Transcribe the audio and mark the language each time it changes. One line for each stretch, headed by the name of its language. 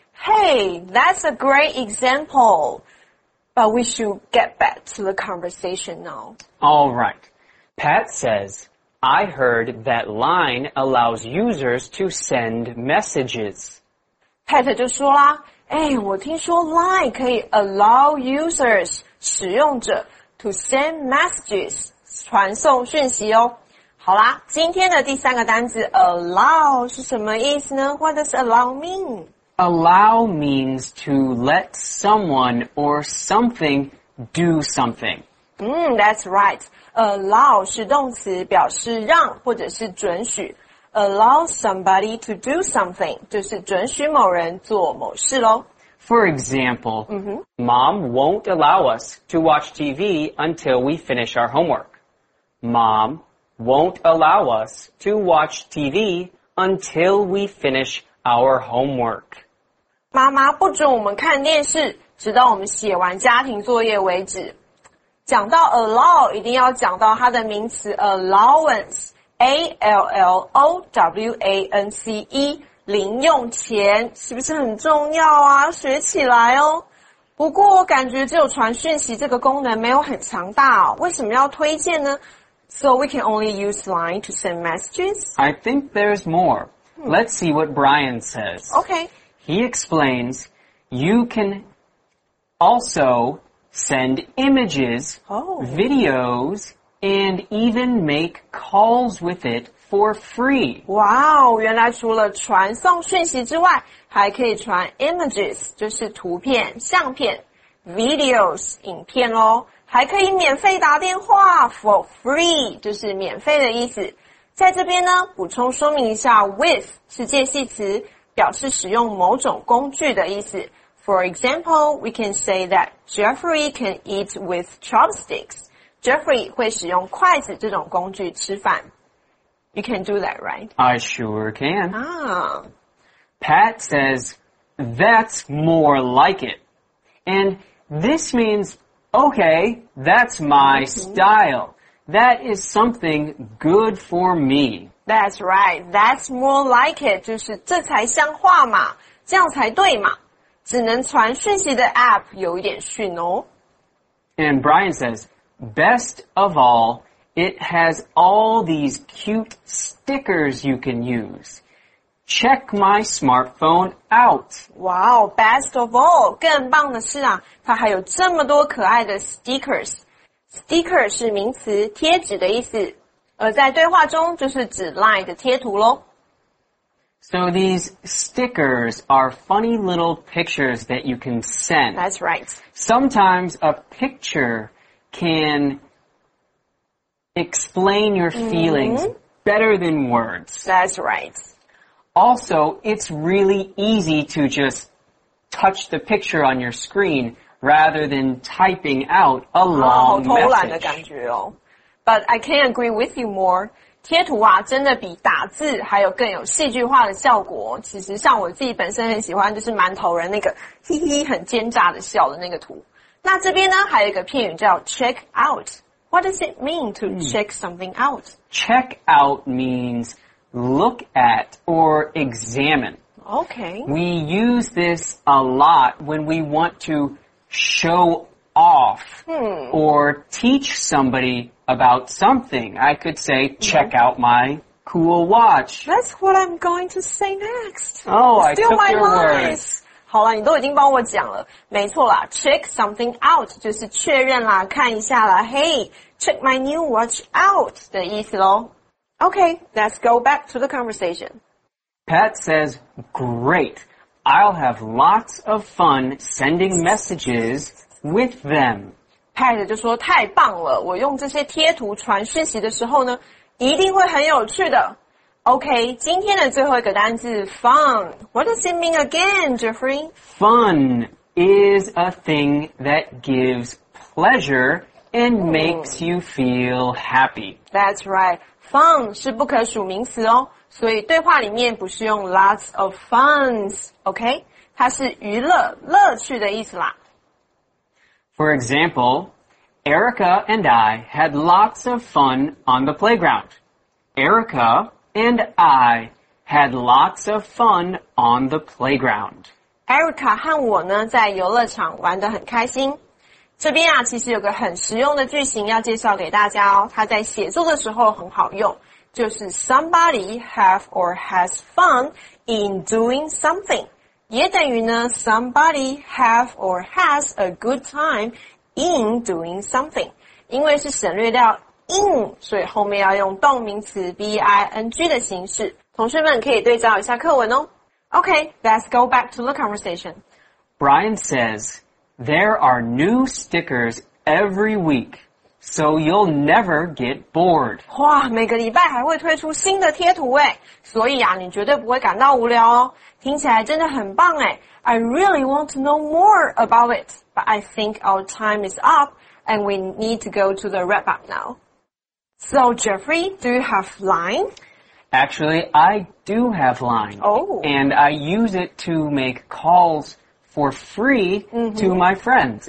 English: Hey, that's a great example. But we should get back to the conversation now. All right. Pat says, I heard that Line allows users to send messages.
Chinese: Pat 就说啦，哎，我听说 Line 可以
English: allow users,
Chinese: 使用者
English: to send messages,
Chinese: 传送讯息哦。好啦，今天的第三个单字 allow 是什么意思呢？
English: What does allow mean? Allow means to let someone or something do something. That's right.
Chinese: Allow 是动词，表示让或者是准许。
English: Allow somebody to do something
Chinese: 就是准许某人做某事咯。
English: For example,、Mom won't allow us to watch TV until we finish our homework. Mom... won't allow us to watch TV until we finish our homework.
Chinese: 妈妈不准我们看电视，直到我们写完家庭作业为止。讲到 allow, 一定要讲到它的名词 allowance, A-L-L-O-W-A-N-C-E, 零用钱，是不是很重要啊？学起来哦。不过我感觉只有传讯息这个功能没有很强大哦，为什么要推荐呢？
English: So we can only use Line to send messages? I think there's more. Let's see what Brian says. Okay. He explains, you can also send images,、videos, and even make calls with it for free.
Chinese: Wow, 原来除了传送讯息之外，还可以传 images, 就是图片、相片、videos, 影片咯。还可以免费打电话 ,
English: for free,
Chinese: 就是免费的意思。在这边呢，补充说明一下 ,with 是介系词，表示使用某种工具的意思。
English: For example, we can say that Jeffrey can eat with chopsticks.
Chinese: Jeffrey 会使用筷子这种工具吃饭。
English: You can do that, right? I sure can.、 Ah. Pat says, that's more like it. And this means... Okay, that's my style. That is something good for me. That's right. That's more like it.
Chinese: 就是这才像话嘛，这样才对嘛。只能传讯息的 app 有一点逊哦。
English: And Brian says, best of all, it has all these cute stickers you can use. Check my smartphone out. Wow, best of all.
Chinese: 更棒的是啊，它还有这么多可爱的 stickers. Sticker 是名词，贴纸的意思。而在对话中就是指 Line 的贴图咯。
English: So these stickers are funny little pictures that you can send. That's right. Sometimes a picture can explain your feelings better than words. That's right. Also, it's really easy to just touch the picture on your screen rather than typing out a long message.
Chinese: 好偷懒的感觉哦。
English: But I can agree with you more.
Chinese: 贴图啊，真的比打字还有更有戏剧化的效果。其实像我自己本身很喜欢，就是馒头人那个嘻嘻很奸诈的笑的那个图。那这边呢，还有一个片语叫 check out。
English: What does it mean to check something out? Check out means look at or examine. Okay. We use this a lot when we want to show off or teach somebody about something. I could say, check out my cool watch. That's what I'm going to say next. Oh, I took your words.
Chinese: 好啦，你都已经帮我讲了。没错啦，
English: check something out
Chinese: 就是确认啦，看一下啦。
English: Hey, check my new watch out
Chinese: 的意思咯。
English: Okay, let's go back to the conversation. Pat says, great, I'll have lots of fun sending messages with them.
Chinese: Pat 就说太棒了，我用这些贴图传讯息的时候呢，一定会很有趣的。 Okay, 今天的最后一个单字 fun.
English: What does it mean again, Jeffrey? Fun is a thing that gives pleasure and makes you feel happy. That's right.
Chinese: Fun 是不可数名词哦，所以对话里面不是用
English: lots of funs,
Chinese: okay? 它是娱乐、乐趣的意思啦。
English: For example, Erica and I had lots of fun on the playground. Erica... And I had lots of fun on the playground.
Chinese: Erica 和我呢在游乐场玩得很开心。这边啊其实有个很实用的句型要介绍给大家哦，它在写作的时候很好用，就是
English: somebody have or has fun in doing something，
Chinese: 也等于呢
English: somebody have or has a good time in doing something，
Chinese: 因为是省略掉in， 所以后面要用动名词 B-I-N-G 的形式。同学们可以对照一下课文哦。
English: Okay, let's go back to the conversation. Brian says, there are new stickers every week, so you'll never get bored.
Chinese: 哇，每个礼拜还会推出新的贴图耶，所以啊，你绝对不会感到无聊哦。听起来真的很棒耶。
English: I really want to know more about it, but I think our time is up and we need to go to the wrap up now. So, Jeffrey, do you have line? Actually, I do have line. Oh. And I use it to make calls for free to my friends.